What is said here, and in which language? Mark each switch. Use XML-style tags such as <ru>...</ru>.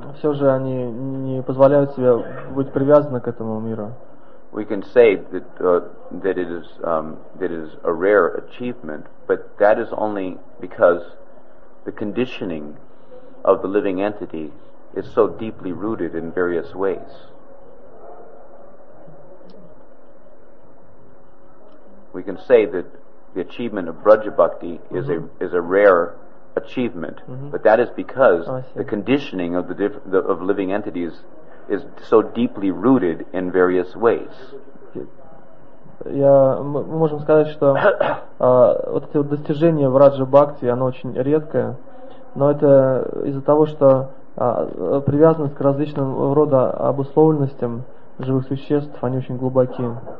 <ru>Все же они не позволяют себе быть привязаны к этому миру.</ru> <en>We can say that that it is a rare achievement, but that is only because the conditioning of the living entity is so deeply rooted in various ways. We can say that the achievement of Braja Bhakti is a rare achievement, but that is because the conditioning of the living entities is so deeply rooted in various ways.</en> <ru>Мы можем сказать, что вот это достижение в Раджа Бхакти, оно очень редкое, но это из-за того, что привязанность к различным рода обусловленностям живых существ, они очень глубоки.</ru>